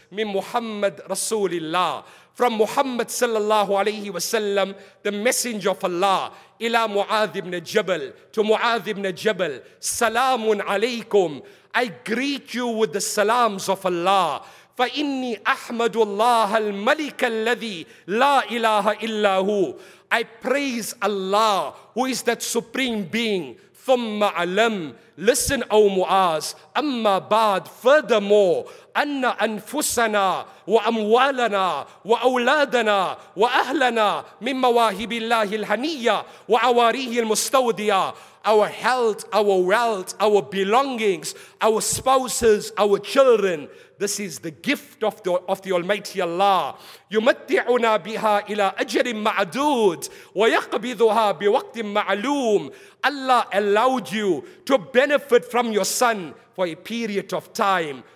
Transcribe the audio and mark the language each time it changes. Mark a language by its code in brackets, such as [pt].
[ar] Min Muhammad Rasulillah. [en] From Muhammad [ar] sallallahu alayhi wa sallam, [en] the messenger of Allah, ila Mu'adh ibn Jabal, to Mu'adh ibn Jabal, [ar] salamun alaykum. [en] I greet you with the salams of Allah. [ar] فَإِنِّي أَحْمَدُ اللَّهَ الْمَلِكَ الَّذِي لَا إِلَهَ إِلَّا هُوَ. [en] I praise Allah, who is that supreme being. [ar] ثُمَّ عَلَمْ. [en] Listen, O Mu'az. [ar] أَمَّا بَعْد. [en] Furthermore, [ar] أَنَّ أَنفُسَنَا وَأَمْوَالَنَا وَأَوْلَادَنَا وَأَهْلَنَا مِنْ مَوَاهِبِ اللَّهِ الْهَنِيَّةِ وَعَوَارِيهِ الْمُسْتَوْدِيَةِ. [en] Our health, our wealth, our belongings, our spouses, our children. This is the gift of the Almighty Allah. [ar] يُمَتِّعُنَا بِهَا إِلَىٰ أَجَرٍ مَعْدُودٍ وَيَقْبِذُهَا بِوَقْتٍ مَعْلُومٍ. [en] Allah allowed you to benefit from your son for a period of time.